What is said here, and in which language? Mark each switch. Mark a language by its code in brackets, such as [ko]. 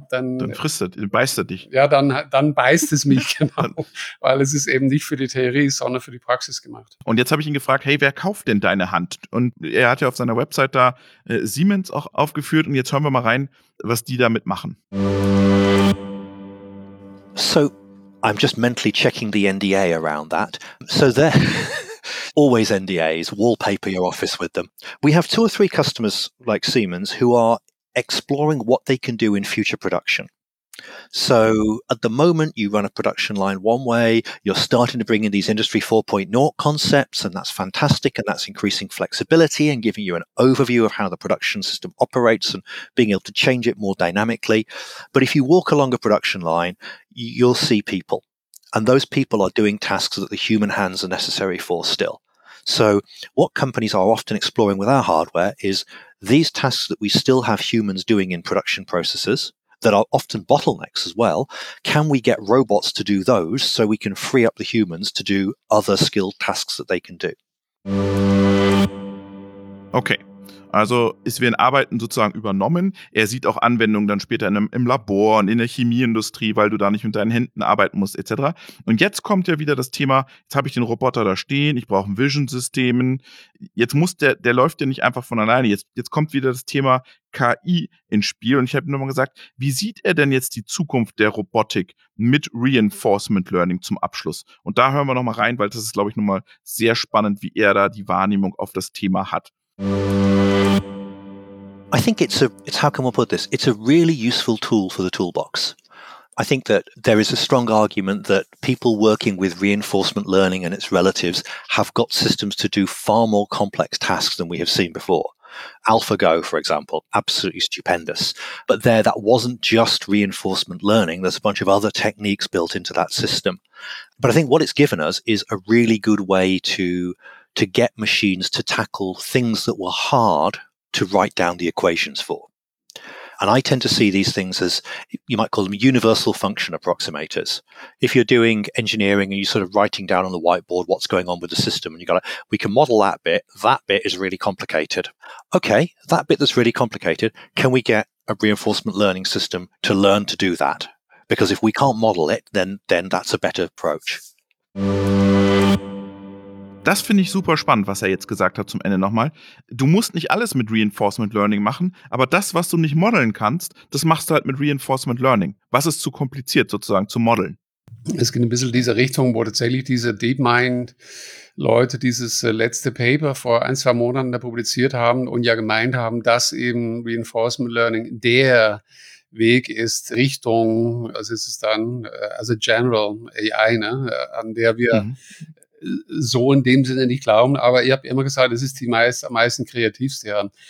[de] dann beißt er dich. Ja, dann beißt es mich, genau, weil es ist eben nicht für die Theorie, sondern für die Praxis gemacht. Und jetzt habe ich ihn gefragt, hey, wer kauft denn deine Hand? Und er hat ja auf seiner Website da Siemens auch aufgeführt. Und jetzt hören wir mal rein, was die damit machen. [en] So, I'm just mentally checking the NDA around that. So there... Always NDAs, wallpaper your office with them. We have 2 or 3 customers like Siemens who are exploring what they can do in future production. So at the moment, you run a production line one way, you're starting to bring in these industry 4.0 concepts, and that's fantastic, and that's increasing flexibility and giving you an overview of how the production system operates and being able to change it more dynamically. But if you walk along a production line, you'll see people, and those people are doing tasks that the human hands are necessary for still. So what companies are often exploring with our hardware is these tasks that we still have humans doing in production processes, that are often bottlenecks as well, can we get robots to do those so we can free up the humans to do other skilled tasks that they can do? [de] Okay, also es werden Arbeiten sozusagen übernommen. Er sieht auch Anwendungen dann später im Labor und in der Chemieindustrie, weil du da nicht mit deinen Händen arbeiten musst, etc. Und jetzt kommt ja wieder das Thema, jetzt habe ich den Roboter da stehen, ich brauche ein Vision-System. Jetzt muss der läuft ja nicht einfach von alleine. Jetzt kommt wieder das Thema KI ins Spiel. Und ich habe nur mal gesagt, wie sieht er denn jetzt die Zukunft der Robotik mit Reinforcement Learning zum Abschluss? Und da hören wir nochmal rein, weil das ist, glaube ich, nochmal sehr spannend, wie er da die Wahrnehmung auf das Thema hat. [en] I think it's how can we put this? It's a really useful tool for the toolbox. I think that there is a strong argument that people working with reinforcement learning and its relatives have got systems to do far more complex tasks than we have seen before. AlphaGo, for example, absolutely stupendous. But there, that wasn't just reinforcement learning. There's a bunch of other techniques built into that system. But I think what it's given us is a really good way to get machines to tackle things that were hard to write down the equations for. And I tend to see these things as, you might call them universal function approximators. If you're doing engineering and you're sort of writing down on the whiteboard what's going on with the system, and you got to, we can model that bit is really complicated. Okay, that bit that's really complicated, can we get a reinforcement learning system to learn to do that? Because if we can't model it, then that's a better approach. [de] Das finde ich super spannend, was er jetzt gesagt hat zum Ende nochmal. Du musst nicht alles mit Reinforcement Learning machen, aber das, was du nicht modeln kannst, das machst du halt mit Reinforcement Learning. Was ist zu kompliziert sozusagen zu modeln? Es geht ein bisschen in diese Richtung, wo tatsächlich diese DeepMind-Leute dieses letzte Paper vor ein, zwei Monaten da publiziert haben und ja gemeint haben, dass eben Reinforcement Learning der Weg ist Richtung, also ist es dann, also General AI, ne, an der wir so in dem Sinne nicht glauben, aber ich habe immer gesagt, es ist die am meisten kreativste.